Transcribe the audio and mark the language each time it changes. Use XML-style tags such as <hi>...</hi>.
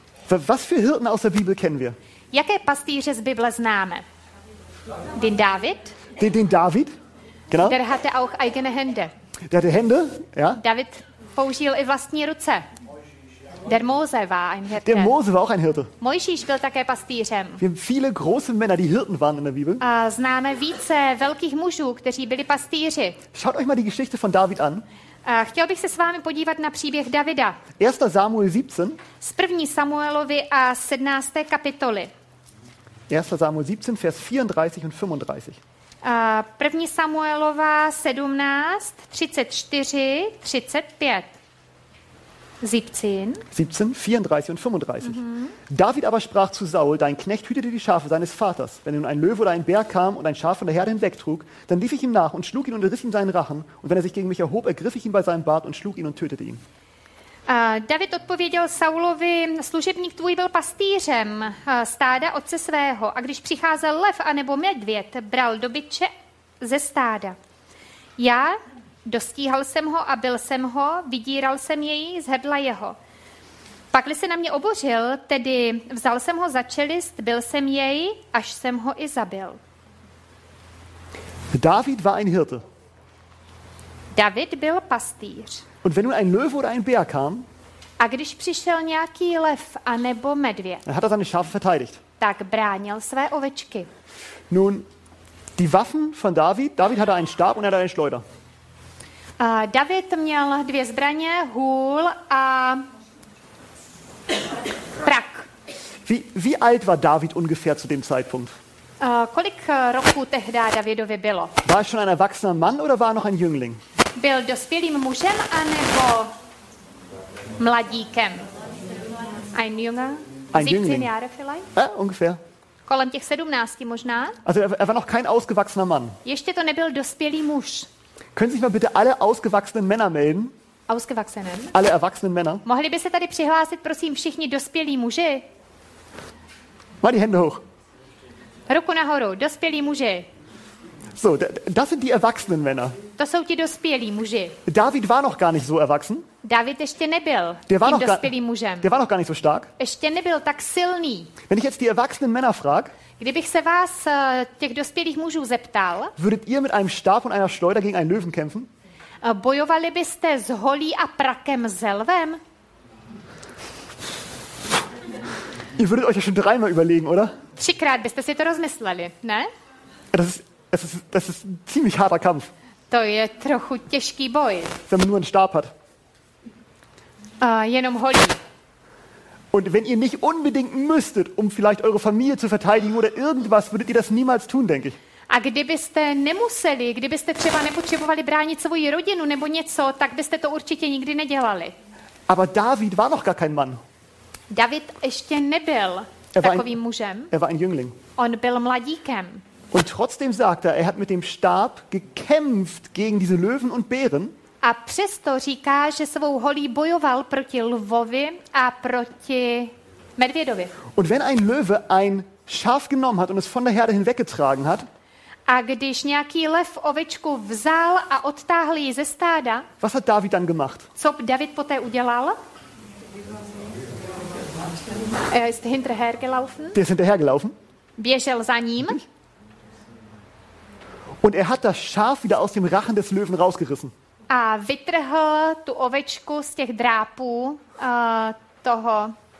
<de>Was für Hirten aus der Bibel kennen wir?</de> <cs>Jaké pastýře z Bible známe?</cs> <de>Den David. Den David? Genau. Der hatte auch eigene Hände. Der hatte Hände, ja.</de> <cs>David použil i vlastní ruce.</cs> <de>Der Mose war ein Hirte. Der Mose war auch ein Hirte.</de> <cs>Mojžíš byl také pastýřem.</cs> <de>Wir haben viele große Männer, die Hirten waren in der Bibel.</de> <cs>A známe více velkých mužů, kteří byli pastýři.</cs> <de>Schaut euch mal die Geschichte von David an.</de> <cs>A chtěl bych se s vámi podívat na příběh Davida.</cs> <de>1. Samuel 17.</de> <cs>Z 1. Samuelovi a 17. kapitoli.</cs> <de>1. Samuel 17, vers 34 und 35.</de> <cs>1. Samuelova 17, 34, 35.</cs> <de>17, 34 und 35. Mhm. David aber sprach zu Saul, dein Knecht hütete die Schafe seines Vaters. Wenn nun ein Löwe oder ein Bär kam und ein Schaf von der Herde hinwegtrug, dann lief ich ihm nach und schlug ihn und riss ihm seinen Rachen. Und wenn er sich gegen mich erhob, ergriff ich ihn bei seinem Bart und schlug ihn und tötete ihn.</de> <cs>David odpověděl Saulovi, služebník tvůj byl pastýřem stáda otce svého. A když přicházel lev anebo medvěd, bral dobytče ze stáda. Já dostíhal jsem ho a byl jsem ho, vydíral jsem jej z hrdla jeho. Pakli se na mě obořil, tedy vzal jsem ho za čelist, byl jsem jej, až jsem ho i zabil.</cs> <de>David war ein Hirte.</de> <cs>David byl pastýř.</cs> <de>Und wenn nun ein Löwe oder ein Bär kam,</de> <cs>a když přišel nějaký lev anebo medvěd,</cs> <de>hat er seine Schafe verteidigt.</de> <cs>Tak bránil své ovečky.</cs> <de>Nun, die Waffen von David, David hatte einen Stab und er hatte eine Schleuder.</de> <cs>David měl dvě zbraně, hůl a prak.</cs> <de>Wie alt war David ungefähr zu dem Zeitpunkt?</de> <cs>Kolik roku tehdy Davidovi bylo?</cs> <de>War er schon ein erwachsener Mann oder war er noch ein Jüngling?</de> <cs>Byl dospělým mužem anebo mladíkem?</cs> <de>Ein Junge? Ein Jüngling. 17 Jahre vielleicht? Ungefähr.</de> <cs>Kolem těch 17 možná?</cs> <de>Also er war noch kein ausgewachsener Mann.</de> <cs>Ještě to nebyl dospělý muž.</cs> <de>Können Sie sich mal bitte alle ausgewachsenen Männer melden? Ausgewachsenen? Alle erwachsenen Männer?</de> <cs>Mohli by se tady přihlásit, prosím, všichni dospělí muži?</cs> <de>Mal die Hände hoch.</de> <cs>Ruku nahoru, dospělí muži.</cs> <de>So, das sind die erwachsenen Männer.</de> <cs>To jsou ti dospělí muži.</cs> <de>David war noch gar nicht so erwachsen.</de> <cs>David ještě nebyl dospělým mužem.</cs> <de>Der war noch gar nicht so stark.</de> <cs>Ještě nebyl tak silný.</cs> <de>Wenn ich jetzt die erwachsenen Männer frag,</de> <cs>kdybych se vás, těch dospělých mužů, zeptal,</cs> <de>würdet ihr mit einem Stab und einer Schleuder gegen einen Löwen kämpfen?</de> <cs>Bojovali byste s holí a prakem s lvem?</cs> <de>Ihr würdet euch ja schon dreimal überlegen, oder?</de> <cs>Třikrát byste si to rozmysleli, ne?</cs> <de>Das ist ein ziemlich harter Kampf.</de> <cs>To je trochu těžký boj.</cs> <de>Wenn man nur einen Stab hat.</de> <cs>Jenom holí.</cs> <de>Und wenn ihr nicht unbedingt müsstet, um vielleicht eure Familie zu verteidigen oder irgendwas, würdet ihr das niemals tun, denke ich.</de> <cs>A kdybyste nemuseli, kdybyste třeba nepotřebovali bránit svou rodinu nebo něco, tak byste to určitě nikdy nedělali.</cs> <de>Aber David war noch gar kein Mann.</de> <cs>David ještě nebyl takovým mužem.</cs> <de>Er war ein Jüngling.</de> <cs>On byl mladíkem.</cs> <de>Und trotzdem sagt er hat mit dem Stab gekämpft gegen diese Löwen und Bären.</de> <cs>A přesto říká, že svou holí bojoval proti lvovi a proti medvědovi.</cs> <de>Und wenn ein Löwe ein Schaf genommen hat und es von der Herde hinweggetragen hat,</de> <cs>a když nějaký lev ovečku vzal a odtáhl ji ze stáda,</cs> <de>was hat David dann gemacht?</de> <cs>Co David poté udělal?</cs> <de>Ist hinterhergelaufen. Der ist hinterhergelaufen.</de> <cs>Běžel za ním.</cs> <de>Und hat das Schaf wieder aus dem Rachen des Löwen rausgerissen.</de> <cs>A vytrhl tu ovečku z těch drápů toho...</cs>